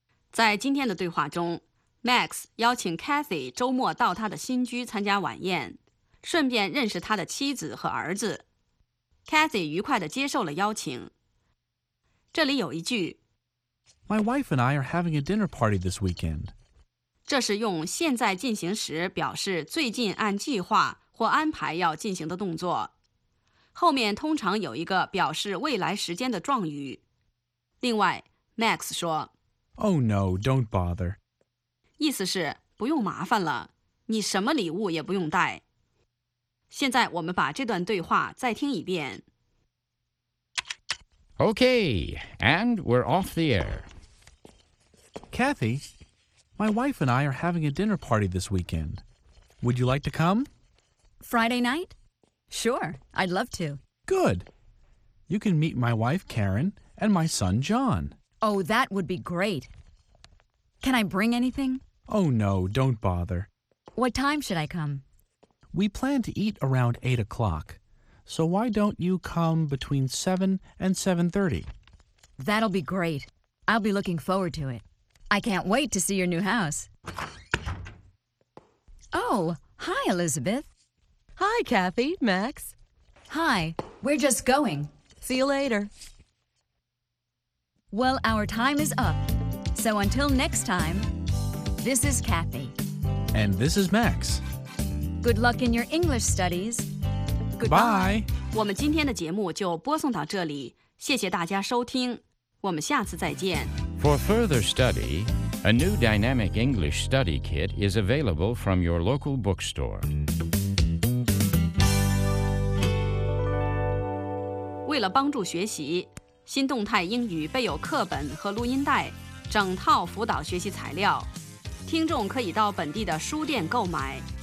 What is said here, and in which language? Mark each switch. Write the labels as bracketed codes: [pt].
[zh] 在今天的对话中 ,Max 邀请 Cathy 周末到他的新居参加晚宴,顺便认识他的妻子和儿子。 Cathy 愉快地接受了邀请。这里有一句 [en] My wife and I are having a dinner party this weekend. [zh] 这是用现在进行时表示最近按计划或安排要进行的动作。后面通常有一个表示未来时间的状语。另外 ,Max 说 Oh no, don't bother. 意思是不用麻烦了，你什么礼物也不用带。现在我们把这段对话再听一遍。 [en] Okay, and we're off the air. Cathy, my wife and I are having a dinner party this weekend. Would you like to come? Friday night? Sure, I'd love to. Good. You can meet my wife, Karen, and my son, John. Oh, that would be great. Can I bring anything? Oh, no, don't bother. What time should I come? We plan to eat around 8 o'clock, so why don't you come between 7 and 7:30? That'll be great. I'll be looking forward to it. I can't wait to see your new house. Oh, hi, Elizabeth. Hi, Cathy, Max. Hi, we're just going. See you later. Well, our time is up. So until next time, this is Cathy. And this is Max. Good luck in your English studies. Goodbye. [zh] 我们今天的节目就播送到这里，谢谢大家收听，我们下次再见。 [en] For further study, a new dynamic English study kit is available from your local bookstore. [zh] 为了帮助学习，新动态英语备有课本和录音带，整套辅导学习材料，听众可以到本地的书店购买。